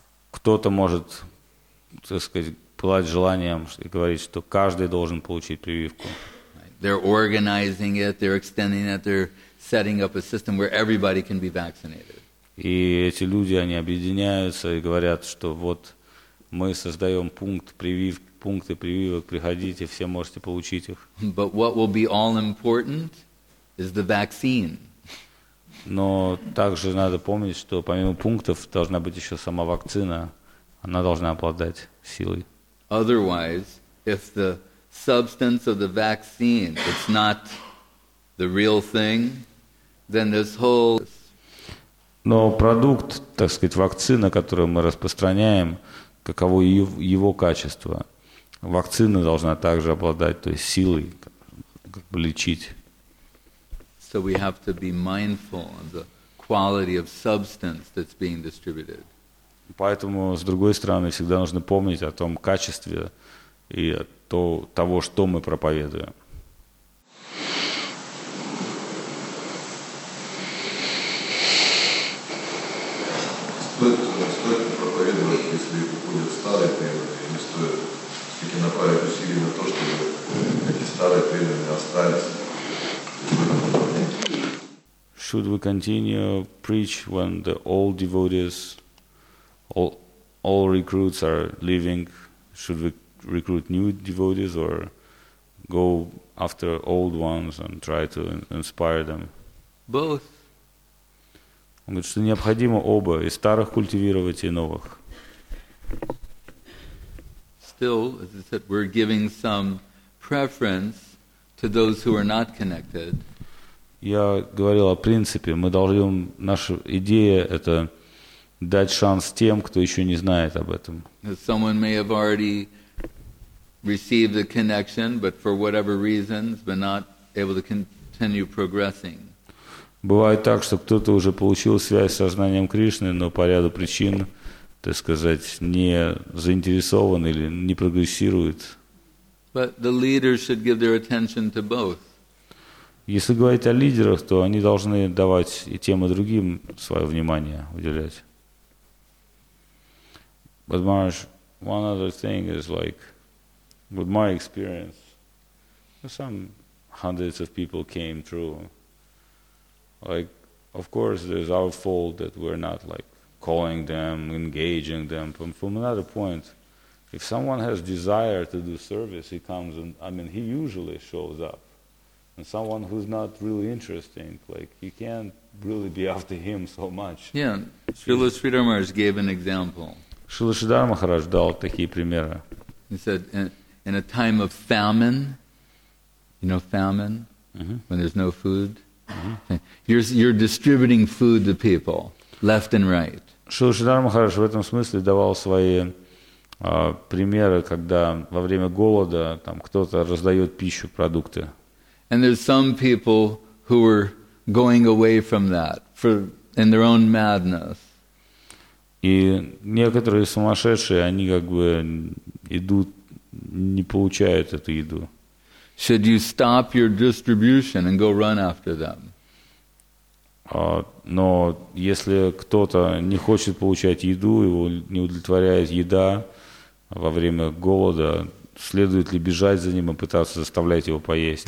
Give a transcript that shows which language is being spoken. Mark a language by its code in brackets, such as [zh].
[ru] Кто-то может, так сказать, пылать желанием и говорить, что каждый должен получить прививку. [en] They're organizing it, they're extending it, they're setting up a system where everybody can be vaccinated. [ru] И эти люди, они объединяются и говорят, что вот мы создаем пункты прививок, приходите, все можете получить их. [en] But what will be all important is the vaccine. [ru] Но также надо помнить, что помимо пунктов должна быть еще сама вакцина, она должна обладать силой. [en] Otherwise, if the substance of the vaccine is not the real thing, then this whole. [ru] Но продукт, так сказать, вакцина, которую мы распространяем, каково его качество? Вакцина должна также обладать той силой, как бы лечить. [en] So we have to be mindful of the quality of substance that's being distributed. [ru] Поэтому, с другой стороны, всегда нужно помнить о том качестве и того, что мы проповедуем. Стоит ли проповедовать, если уходят старые преданные, или стоит все-таки направить усилия на то, чтобы эти старые преданные остались? [en] Should we continue preach when the old devotees All recruits are leaving. Should we recruit new devotees or go after old ones and try to inspire them? Both. [ru] Он говорит, что необходимо оба, и старых культивировать, и новых. [en] Still, as I said, we're giving some preference to those who are not connected. [ru] Я говорил о принципе. Мы должны, наша идея это дать шанс тем, кто еще не знает об этом. [en] Someone may have already received the connection, but for whatever reasons, but not able to continue progressing. [ru] Бывает так, что кто-то уже получил связь с сознанием Кришны, но по ряду причин, так сказать, не заинтересован или не прогрессирует. [en] But the leaders should give their attention to both. [ru] Если говорить о лидерах, то они должны давать и тем, и другим свое внимание уделять. [en] But Maharaj, one other thing is like, with my experience, some hundreds of people came through. Like, of course, there's our fault that we're not, like, calling them, engaging them. But from another point, if someone has desire to do service, he comes and, I mean, he usually shows up. And someone who's not really interesting, like, you can't really be after him so much. Yeah, Srila Sridhar Maharaj gave an example. [ru] Srila Sridhar Maharaj дал такие примеры. [en] He said, in a time of famine, you know, famine, mm-hmm. when there's no food, Mm-hmm. You're distributing food to people left and right. [ru] Шрила Шридхар Махарадж в этом смысле давал свои примеры, когда во время голода там кто-то раздает пищу, продукты. [en] And there's some people who were going away from that for in their own madness. [ru] И некоторые сумасшедшие, они как бы идут, не получают эту еду. [en] Should you stop your distribution and go run after them? [ru] Но если кто-то не хочет получать еду, его не удовлетворяет еда во время голода, следует ли бежать за ним и пытаться заставлять его поесть?